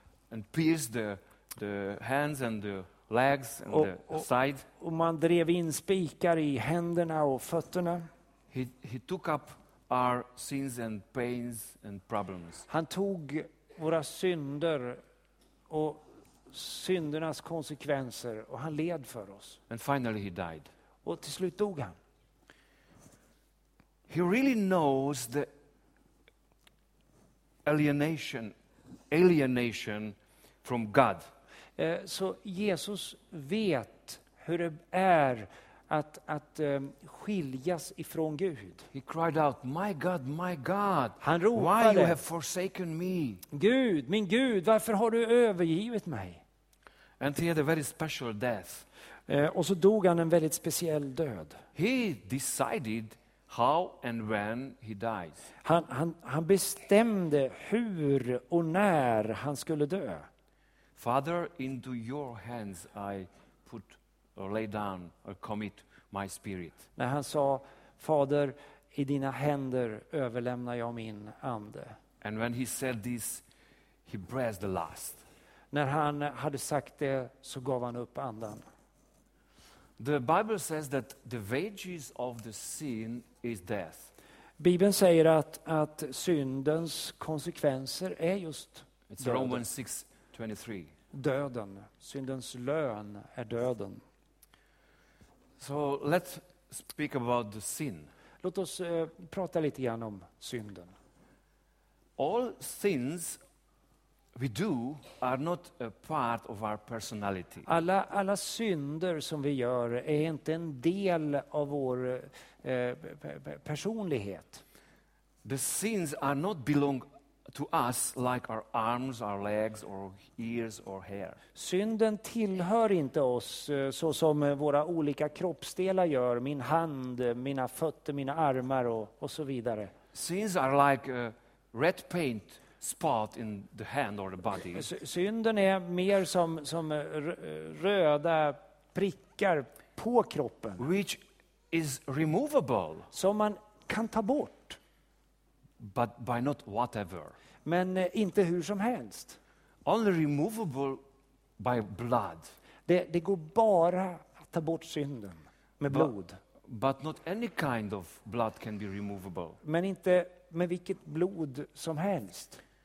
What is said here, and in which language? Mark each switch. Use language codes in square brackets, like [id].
[en] And pierced the hands and the legs and the side. [sv] Och man drev in spikar i händerna och fötterna. [en] He took up our sins and pains and problems. [sv] Han tog våra synder och syndernas konsekvenser och han led för oss. [en] And finally he died. [sv] Och till slut dog han. [en] He really knows the alienation from God. [sv] Så Jesus vet hur det är att skiljas ifrån Gud. [en] He cried out, my God, [sv] han ropade, [en] why you have forsaken me? [sv] Gud, min Gud, varför har du övergivit mig? [en] And he had a very special death. [sv] Och så dog han en väldigt speciell död. [en] He decided how and when he died. [sv] Han bestämde hur och när han skulle dö. [en] Father, into your hands I put or lay down or commit my spirit. [sv] När han sa, Fader, i dina händer överlämnar jag min ande. [en] And when he said this, he breathed the last. [sv] När han hade sagt det så gav han upp andan. [en] The Bible says that the wages of the sin is death. [sv] Bibeln säger att syndens konsekvenser är just [en] it's [sv] döden. [en] Romans 6:23. [sv] Döden, syndens lön är döden. [en] So let's speak about the sin. [sv] Låt oss prata lite grann om synden. [en] All sins we do are not a part of our personality. [sv] Alla synder som vi gör är inte en del av vår personlighet. [en] The sins are not belong to us like our arms, our legs, or ears or hair. [sv] Synden tillhör inte oss så som våra olika kroppsdelar gör, min hand, mina fötter, mina armar och så vidare. [en] Sins are like a red paint spot in the hand or the body. [sv] Synden är mer som röda prickar på kroppen. [en] Which is removable. [sv] Som man kan ta bort. [en] But by not whatever. [sv] Men inte hur som helst. [en] Only removable by blood. [sv] Det går bara att ta bort synden med blod. [en] But not any kind of blood can be removable. [sv] Men inte med vilket blod som helst.